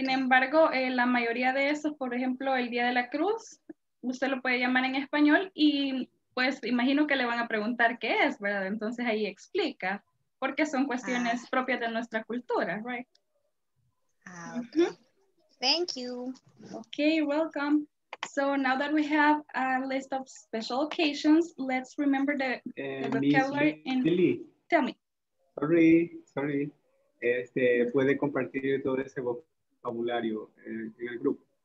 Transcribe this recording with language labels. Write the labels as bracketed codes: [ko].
[es] Sin embargo, la mayoría de esos, por ejemplo, el Día de la Cruz, usted lo puede llamar en español y pues imagino que le van a preguntar qué es, ¿verdad? Entonces ahí explica, porque son cuestiones propias de nuestra cultura, right? [en] Ah, okay. Mm-hmm. Thank you. Okay, you're welcome. So now that we have a list of special occasions, let's remember the vocabulary. Ms. Lily. Tell me. Sorry. [es] Este, ¿puede compartir todo ese vocabulario en el grupo?